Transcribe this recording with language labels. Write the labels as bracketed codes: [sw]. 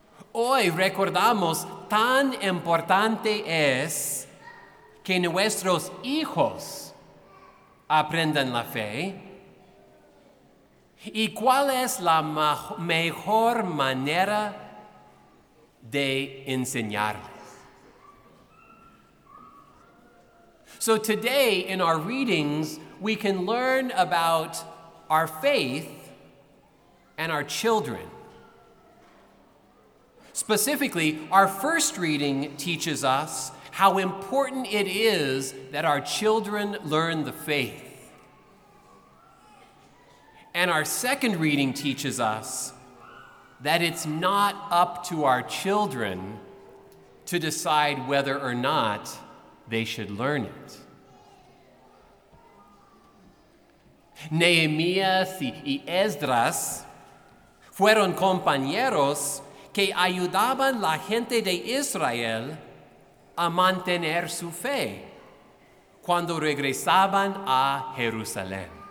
[es] Hoy recordamos tan importante es que nuestros hijos aprendan la fe y cuál es la mejor manera de enseñarles. [en] So today in our readings we can learn about our faith and our children. Specifically, our first reading teaches us how important it is that our children learn the faith. And our second reading teaches us that it's not up to our children to decide whether or not they should learn it. [es] Nehemías y Esdras fueron compañeros que ayudaban la gente de Israel a mantener su fe cuando regresaban a Jerusalén.